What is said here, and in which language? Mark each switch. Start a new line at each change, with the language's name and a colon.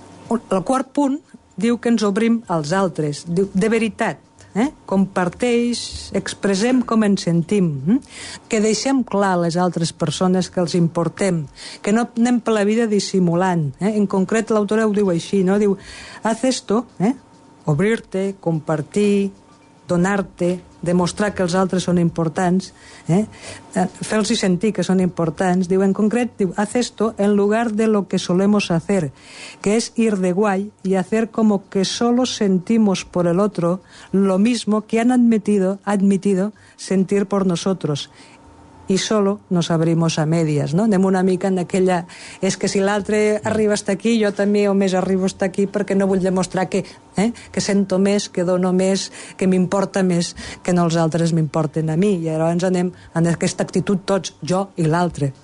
Catalan: El quart punt diu que ens obrim als altres. Diu, de veritat, comparteix, expressem com ens sentim, que deixem clar a les altres persones que els importem, que no anem per la vida dissimulant. En concret, l'autora ho diu així, no? Diu,
Spanish: haz esto,
Catalan: obrir-te, compartir, donar-te, demostrar que els altres són importants, fer-los sentir que són importants. Diu, en concret, diu,
Spanish: haz esto en lugar de lo que solemos hacer, que es ir de guay y hacer como que solo sentimos por el otro lo mismo que han admitido sentir por nosotros. I solo nos abrimos a medias, no?
Catalan: Anem una mica en aquella... És que si l'altre arriba
Spanish: hasta aquí,
Catalan: jo també o més arribo hasta aquí perquè no vull demostrar que sento més, que dono més, que m'importa més que no els altres m'importen a mi. I llavors anem en aquesta actitud tots, jo i l'altre.